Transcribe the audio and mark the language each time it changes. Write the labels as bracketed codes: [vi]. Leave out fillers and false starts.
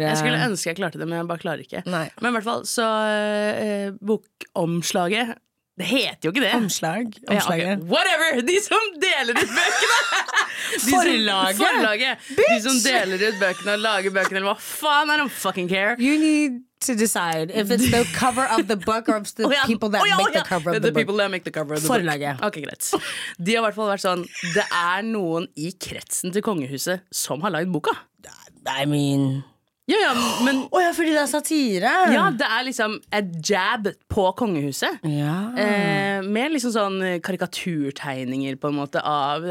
[no] Jeg skulle ønske jeg klarte det, men jeg bare klarer ikke. Nei. Men i hvert fall, så bokomslaget, det heter jo ikke det. Omslaget. Okay. Whatever, de som deler ut bøkene. Forlaget. Bitch. De som deler ut bøkene og lager bøkene, hva faen, [en] I don't fucking care. You need to decide if it's the cover of the book or if it's the people that make the cover of the book. The people that make the cover of the [no] Forlaget. [en] Book. Okay, greit. [no] De har i hvert fall vært sånn, det er noen i kretsen til kongehuset som har laget boka. [en] I mean... [no] Ja, men... Åja, fordi det er satire. Ja, det er liksom et jab på kongehuset. Ja. Med liksom sånn karikaturtegninger på en måte av...